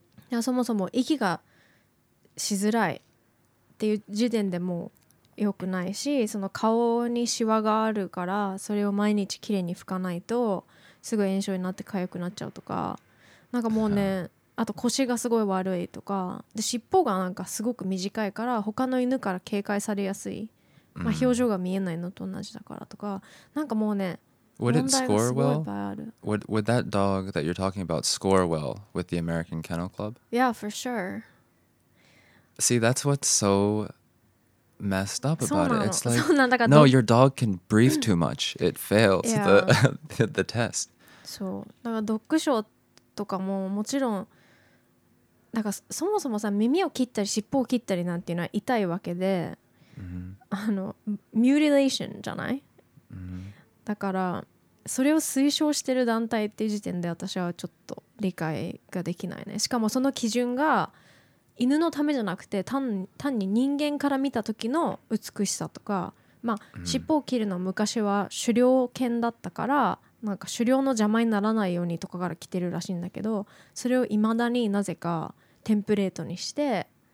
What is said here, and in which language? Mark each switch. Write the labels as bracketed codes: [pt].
[ja] いやそもそも息がしづらいっていう時点でもう良くないし、その顔にシワがあるからそれを毎日きれいに拭かないとすぐ炎症になって痒くなっちゃうとか、なんかもうね、あと腰がすごい悪いとか、で尻尾がなんかすごく短いから他の犬から警戒されやすい、まあ、表情が見えないのと同じだからとか、なんかもうね、問題がすごいいっぱいある。 [en] Would that dog that you're talking about score well with the American Kennel Club? Yeah, for sure. See, that's what's so messed up about it. It's like, [ja] そうなんだから [en] no, your dog can breathe too much. It fails the test. [ja] そう、だからドッグショーとかももちろん、なんかそもそもさ耳を切ったり尻尾を切ったりなんていうのは痛いわけで、 mm-hmm. あのミューティレーションじゃない、 mm-hmm. だからそれを推奨してる団体っていう時点で私はちょっと理解ができないね。しかもその基準が犬のためじゃなくて 単に人間から見た時の美しさとか、まあ、尻尾を切るのは昔は狩猟犬だったから、なんか狩猟の邪魔にならないようにとかから来てるらしいんだけど、それを未だになぜかテンプレートにして